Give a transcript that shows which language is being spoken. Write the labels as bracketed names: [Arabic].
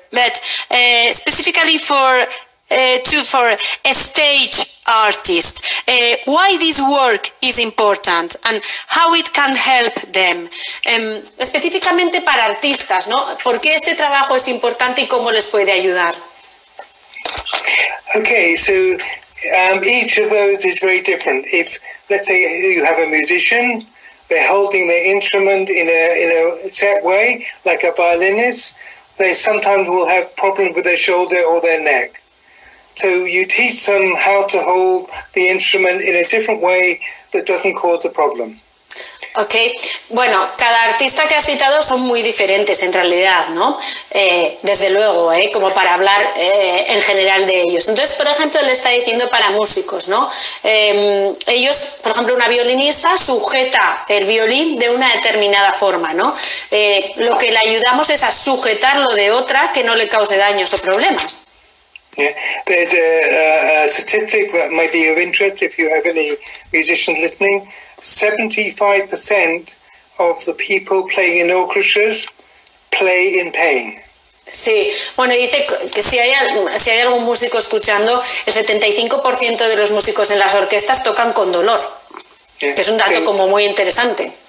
[English] But specifically for for a stage artist, why this work is important and how it can help them. [Spanish] Específicamente para artistas, ¿no? ¿Por qué este trabajo es importante y cómo les puede ayudar? [English] Okay, so each of those is very different. If, let's say, you have a musician, they're holding their instrument in a set way, like a violinist, they sometimes will have problems with their shoulder or their neck. So you teach them how to hold the instrument in a different way that doesn't cause a problem. Okay. [Spanish] Bueno, cada artista que has citado son muy diferentes en realidad, ¿no? Desde luego, como para hablar en general de ellos. Entonces, por ejemplo, le está diciendo para músicos, ¿no? Ellos, por ejemplo, ejemplo, una violinista sujeta el violín de una determinada forma, ¿no? Lo que le ayudamos es a sujetarlo de otra que no le cause daños o problemas. [English] Yeah. There's a statistic that might be of interest if you have any musicians listening. 75% of the people playing in orchestras play in pain. [Spanish] Sí, bueno, dice que si hay algún músico escuchando, el 75% de los músicos en las orquestas tocan con dolor, yeah. Que es un dato so, como muy interesante.